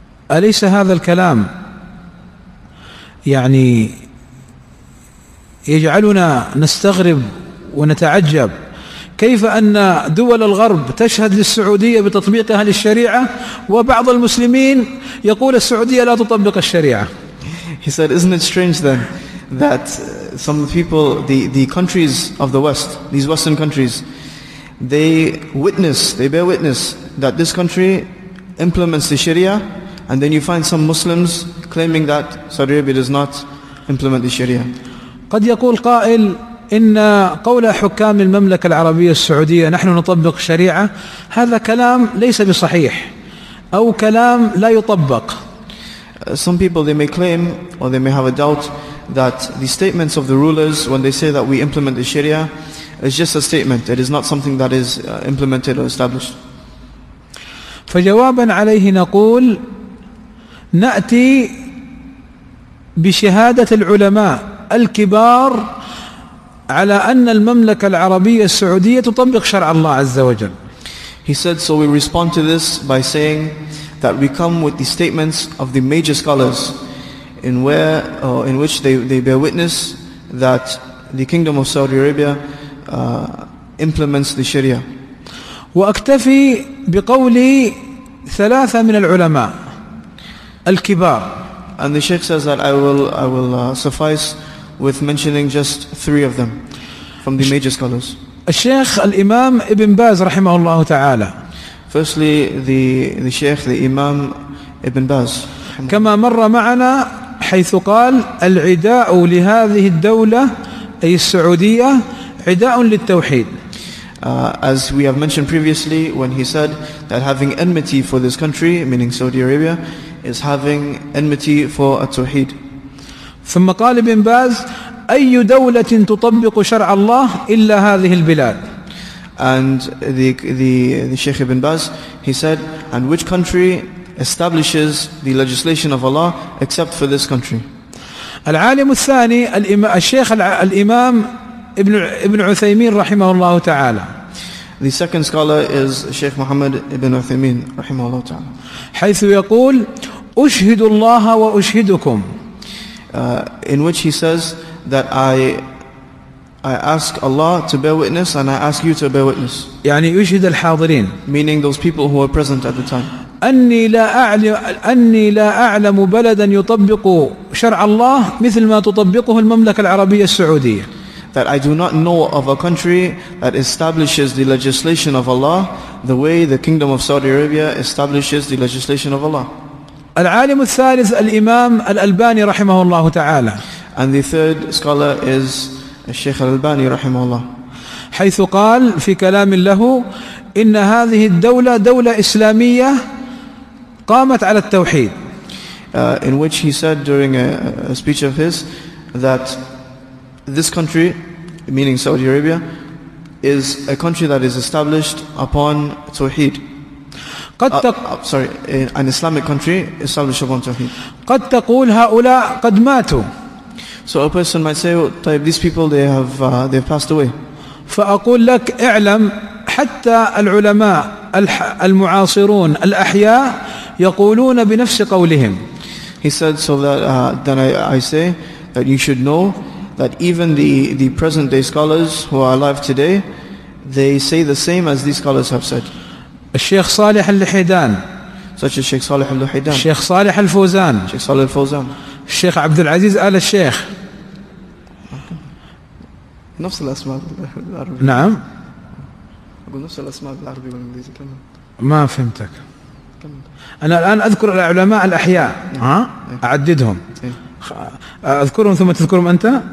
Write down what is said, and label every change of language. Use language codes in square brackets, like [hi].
[ar] أليس هذا الكلام يعني يجعلنا نستغرب ونتعجب كيف أن دول الغرب تشهد للسعودية بتطبيقها للشريعة وبعض المسلمين يقول السعودية لا تطبق الشريعة. [en] He said, isn't it strange then that some people, the countries of the West, these Western countries, they bear witness that this country implements the Sharia, and then you find some Muslims claiming that Saudi Arabia does not implement the Sharia. [ar] قد يقول قائل إن قول حكام المملكة العربية السعودية نحن نطبق الشريعة هذا كلام ليس بصحيح أو كلام لا يطبق. [en] Some people they may claim or they may have a doubt that the statements of the rulers when they say that we implement the Sharia is just a statement. It is not something that is implemented or established. [ar] فجوابا عليه نقول نأتي بشهادة العلماء الكبار على أن المملكة العربية السعودية تطبق شرع الله عز وجل. [en] He said, so we respond to this by saying that we come with the statements of the major scholars in which they bear witness that the Kingdom of Saudi Arabia implements the Sharia. [ar] وأكتفي بقولي ثلاثة من العلماء الكبار. [en] And the Sheikh says that I will suffice with mentioning just three of them from the major scholars. [ar] الشيخ الإمام ابن باز رحمه الله تعالى. [en] Firstly, the Sheikh, the Imam Ibn Baz. [ar] كما مر معنا حيث قال العداء لهذه الدولة أي السعودية عداء للتوحيد. [en] As we have mentioned previously, when he said that having enmity for this country, meaning Saudi Arabia, is having enmity for التوحيد. [ar] ثم قال ابن باز أي دولة تطبق شرع الله إلا هذه البلاد. [en] And the Sheikh Ibn Baz, he said, and which country establishes the legislation of Allah except for this country? [ar] العالم الثاني الشيخ الإمام ابن عثيمين رحمه الله تعالى. [en] The second scholar is Sheikh Muhammad ibn Uthaymeen [ar] رحمه الله تعالى. حيث يقول أشهد الله وأشهدكم. [en] In which he says that I ask Allah to bear witness and I ask you to bear witness. [ar] يعني يشهد الحاضرين. [en] Meaning those people who were present at the time. [ar] أني لا أعلم بلدا يطبق شرع الله مثل ما تطبقه المملكة العربية السعودية. [en] That I do not know of a country that establishes the legislation of Allah the way the Kingdom of Saudi Arabia establishes the legislation of Allah. [ar] العالم الثالث الإمام الألباني رحمه الله تعالى. [en] And the third scholar is [ar] الشيخ الألباني رحمه الله. [en] حيث قال في كلام له إن هذه الدولة دولة إسلامية قامت على التوحيد. In which he said during a speech of his that this country, meaning Saudi Arabia, is a country that is established upon توحيد. An Islamic country established upon توحيد. [ar] قد تقول هؤلاء قد ماتوا. [en] So a person might say, "Type these people; they have passed away." [ar] فأقول لك اعلم حتى العلماء المعاصرون الأحياء يقولون بنفس قولهم. [en] He said, "So that then I say that you should know that even the present day scholars who are alive today, they say the same as these scholars have said." [ar] الشيخ صالح اللحيدان. [en] Such as Sheikh Saleh Al-Lahidan. [ar] الشيخ صالح الفوزان. [en] Sheikh Saleh Al-Fawzan. [ar] الشيخ عبد العزيز آل الشيخ. نفس الأسماء بالعربي. نعم. أقول نفس الأسماء بالعربي والإنجليزي كمان. ما فهمتك. أنا الآن أذكر العلماء الأحياء ها؟ أعددهم أذكرهم ثم تذكرهم أنت؟